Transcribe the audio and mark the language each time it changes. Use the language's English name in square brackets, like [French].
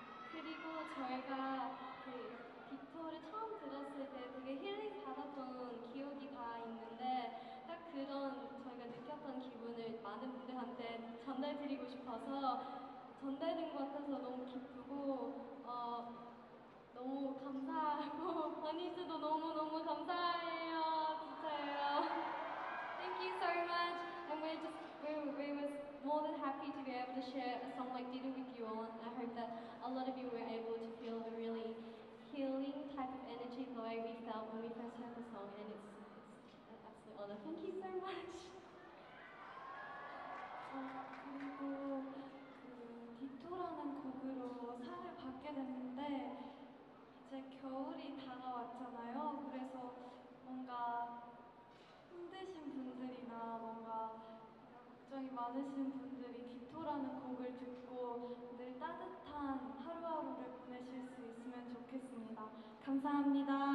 [Korean] 그리고 저희가 기토를 처음 들었을 때 되게 힐링 받았던 기억이 다 있는데 딱 그런 저희가 느꼈던 기분을 많은 분들한테 전달드리고 싶어서 전달된 것 같아서 너무 기쁘고 너무 감사하고 버니즈도 너무너무 감사해요. 진짜예요. [English] Thank you so much. And we were more than happy to be able to share a song like Didn't with you all. And I hope that a lot of you were able to feel a really healing type of energy the way we felt when we first heard the song. And it's an absolute honor. Thank you so much. [Korean] 그리고 디토라는 곡으로 상을 받게 됐는데 이제 겨울이 다가왔잖아요. 그래서 뭔가 힘드신 분들이나 뭔가 걱정이 많으신 분들이 디토라는 곡을 듣고 늘 따뜻한 하루하루를 보내실 수 있으면 좋겠습니다. 감사합니다.